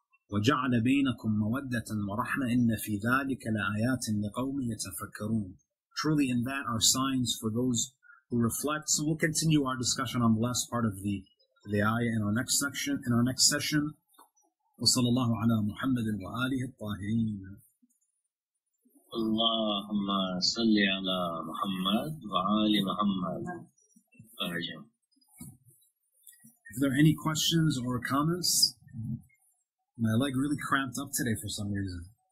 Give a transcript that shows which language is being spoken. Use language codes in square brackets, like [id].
[ar] وَجَعْلَ بَيْنَكُمْ مَوَدَّةً وَرَحْمَةً إِنَّ فِي ذَٰلِكَ لَآيَاتٍ لِقَوْمٍ يَتَفَكَّرُونَ. [en] Truly in that are signs for those who reflect. So we'll continue our discussion on the last part of the ayah in our next section, in our next session. [ar] وصلى الله على محمد وآله الطاهرين. اللهم صل على محمد وآل محمد. [en] If there are any questions or comments. My leg really cramped up today for some reason.